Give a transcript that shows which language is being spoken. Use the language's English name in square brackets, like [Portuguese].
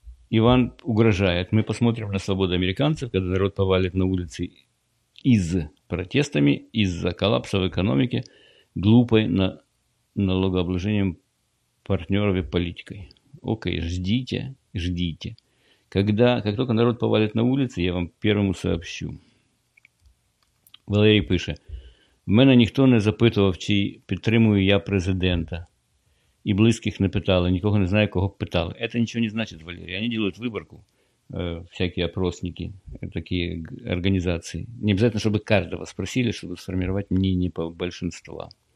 [Russian] Иван угрожает. Мы посмотрим на свободу американцев, когда народ повалит на улицы из-за протестами, из-за коллапса в экономике, глупой на налогообложением партнеров и политикой. Окей, ждите, ждите. Когда, как только народ повалит на улицы, я вам первому сообщу. [Ukrainian] Валерій пише, в мене ніхто не запитував, чи підтримую я президента. І близьких не питали, нікого не знаю, кого б питали. Це нічого не значить, Валерій, вони роблять виборку. [Russian] Всякие опросники, такие организации. Не обязательно, чтобы каждого спросили, чтобы сформировать мнение по большинству.